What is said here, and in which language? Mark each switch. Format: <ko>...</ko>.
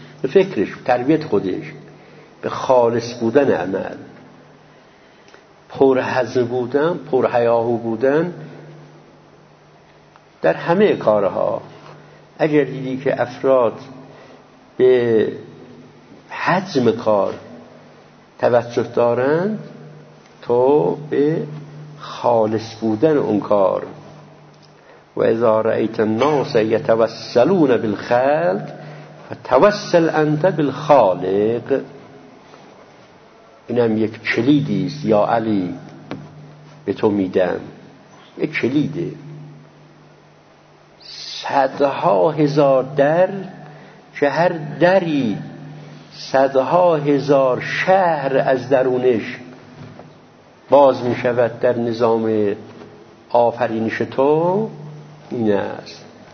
<fa>به فکرش، تربیت خودش، به خالص بودن عمل، پرهزم بودن، پرهیاهو بودن در همه کارها. اگر دیدی که افراد به حجم کار توجه دارند، تو به خالص بودن اون کار.</fa> <ar>و اذا رأیت الناس یتوسلون بالخلق فتوسل انت بالخالق.</ar> <fa>اینم یک کلیدی است یا علی به تو میدم، یک کلیده. صدها هزار در که هر دری صدها هزار شهر از درونش باز می شود در نظام آفرینش تو، این است.</fa>